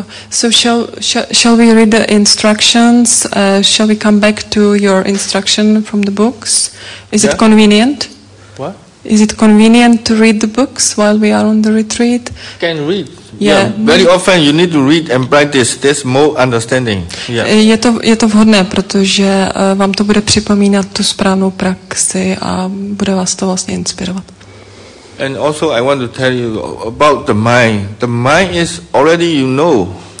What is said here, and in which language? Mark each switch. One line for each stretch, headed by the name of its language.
English: So shall we read the instructions? Shall we come back to your instruction from the books? Is it convenient? What? Is it convenient to read the books while we are on the retreat? Can read. Yeah. Very often you need to read and practice. There's more understanding. Yeah.
Czech: Je to vhodné, protože vám to bude připomínat tu správnou praxi a bude vás to vlastně inspirovat.
English: And also I want to tell you about the mind. The mind is already you know.